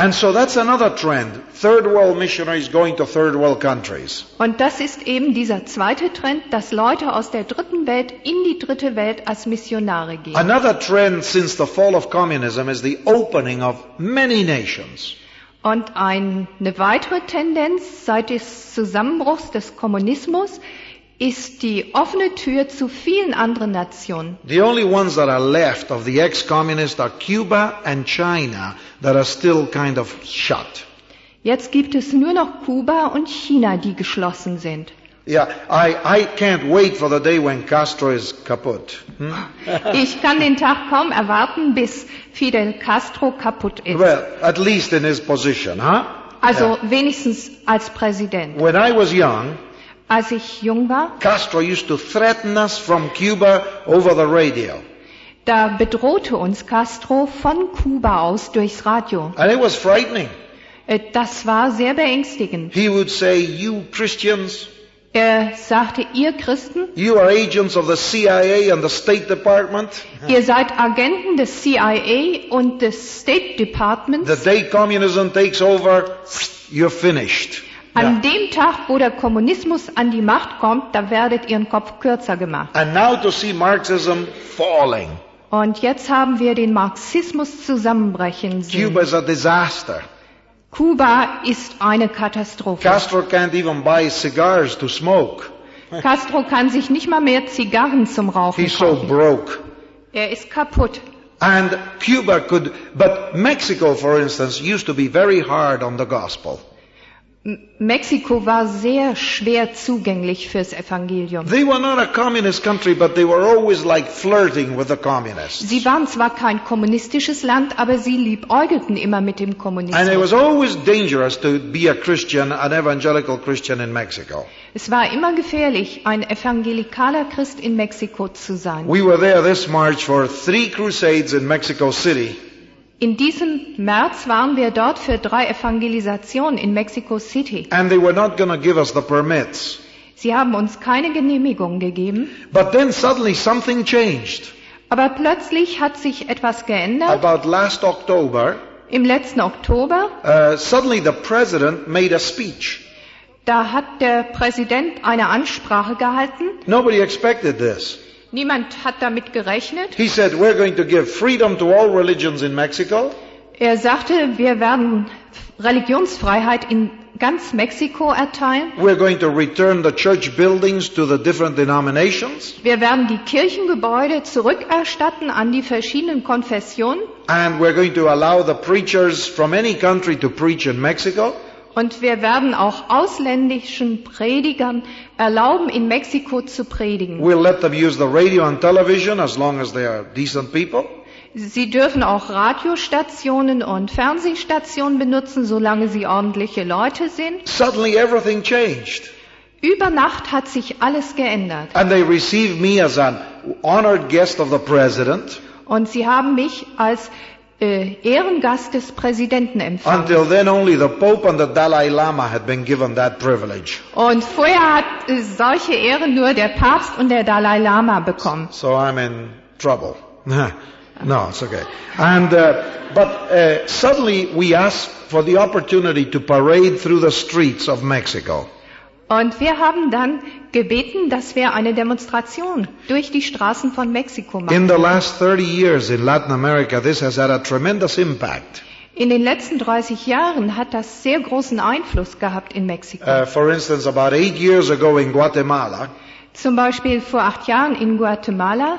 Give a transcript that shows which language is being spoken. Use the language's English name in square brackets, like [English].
[English] And so that's another trend. Third world missionaries going to third world countries. [German] Und das ist eben dieser zweite Trend, dass Leute aus der dritten Welt in die dritte Welt als Missionare gehen. [English] Another trend since the fall of communism is the opening of many nations. [German] Und eine weitere Tendenz seit des Zusammenbruchs des Kommunismus ist die offene Tür zu vielen anderen Nationen. [English] The only ones that are left of the ex-communists are Cuba and China that are still kind of shut. [German] Jetzt gibt es nur noch Kuba und China, die geschlossen sind. [English] Yeah, I can't wait for the day when Castro is kaputt. [German] Ich kann den Tag kaum erwarten, bis Fidel Castro kaputt ist. [English] Well, at least in his position, huh? Also yeah. [German] Wenigstens als Präsident. [English] When I was young, [German] als ich jung war, [English] Castro used to threaten us from Cuba over the radio. [German] Da bedrohte uns Castro von Kuba aus durchs Radio. [English] And it was frightening. [German] Das war sehr beängstigend. [English] He would say, "You Christians." [German] Er sagte, ihr Christen, [English] you are agents of the CIA and the State Department. [German] Ihr seid Agenten des CIA und des State Departments. [English] The day communism takes over, you're finished. [German] An yeah. dem Tag, wo der Kommunismus an die Macht kommt, da werdet ihr einen Kopf kürzer gemacht. [English] And now to see Marxism falling. [German] Und jetzt haben wir den Marxismus zusammenbrechen sehen. [English] Cuba is a disaster. [German] Kuba ist eine Katastrophe. [English] Castro can't even buy cigars to smoke. [German] Castro kann sich nicht mal mehr Zigarren zum Rauchen [English] He's [German] kaufen. [English] He's so broke. [German] Er ist kaputt. [English] And Cuba could, but Mexico, for instance, used to be very hard on the gospel. [German] Mexiko war sehr schwer zugänglich fürs Evangelium. [English] They were not a communist country, but they were always like flirting with the communists. [German] Sie waren zwar kein kommunistisches Land, aber sie liebäugelten immer mit dem Kommunismus. [English] And it was always dangerous to be a Christian, an evangelical Christian in Mexico. [German] Es war immer gefährlich, ein evangelikaler Christ in Mexiko zu sein. [English] We were there this March for 3 crusades in Mexico City. [German] In diesem März waren wir dort für 3 Evangelisationen in Mexico City. [English] And they were not going to give us the permits. [German] Sie haben uns keine Genehmigung gegeben. [English] But then suddenly something changed. [German] Aber plötzlich hat sich etwas geändert. [English] About last October, [German] im letzten Oktober, [English] suddenly the president made a speech. [German] Da hat der Präsident eine Ansprache gehalten. [English] Nobody expected this. [German] Niemand hat damit gerechnet. [English] He said, "We're going to give freedom to all religions in Mexico." [German] Er sagte, wir werden Religionsfreiheit in ganz Mexiko erteilen. [English] We're going to return the church buildings to the different denominations. [German] Wir werden die Kirchengebäude zurückerstatten an die verschiedenen Konfessionen. [English] And we're going to allow the preachers from any country to preach in Mexico. [German] Und wir werden auch ausländischen Predigern erlauben, in Mexiko zu predigen. [English] We'll let them use the radio and television as long as they are decent people. [German] Sie dürfen auch Radiostationen und Fernsehstationen benutzen, solange sie ordentliche Leute sind. [English] Suddenly everything changed. [German] Über Nacht hat sich alles geändert. [English] And they received me as an honored guest of the president. [German] Und sie haben mich als Ehrengast des Präsidenten empfangen. [English] Until then only the Pope and the Dalai Lama had been given that privilege. [German] Und vorher hat solche Ehren nur der Papst und der Dalai Lama bekommen. [English] So I'm in trouble. No, it's okay. But suddenly we asked for the opportunity to parade through the streets of Mexico. [German] Und wir haben dann gebeten, dass wir eine Demonstration durch die Straßen von Mexiko machen. [English] In the last 30 years in Latin America, this has had a tremendous impact. [German] In den letzten 30 Jahren hat das sehr großen Einfluss gehabt in Mexiko. [English] For instance, about 8 years ago in Guatemala. [German] Zum Beispiel vor 8 Jahren in Guatemala.